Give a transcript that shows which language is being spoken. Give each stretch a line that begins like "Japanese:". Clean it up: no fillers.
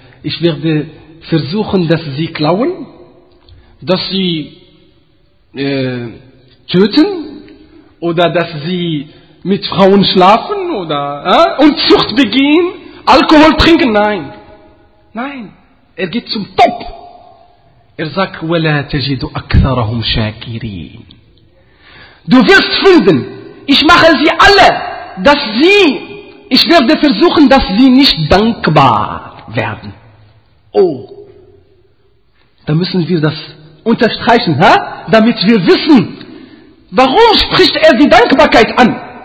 German: Ich werde versuchen, dass sie klauen, dass sie töten oder dass sie mit Frauen schlafen oder Unzucht begehen, Alkohol trinken, nein, er geht zum Top. Er sagt,
Arabic: وَلَا تَجِدُ أَكْثَرَهُمْ شَاكِرِينَ.
German: Du wirst finden, ich mache sie alle, dass sie, ich werde versuchen, dass sie nicht dankbar werden. Oh, da müssen wir das unterstreichen, ha? Damit wir wissen, warum spricht er die Dankbarkeit an?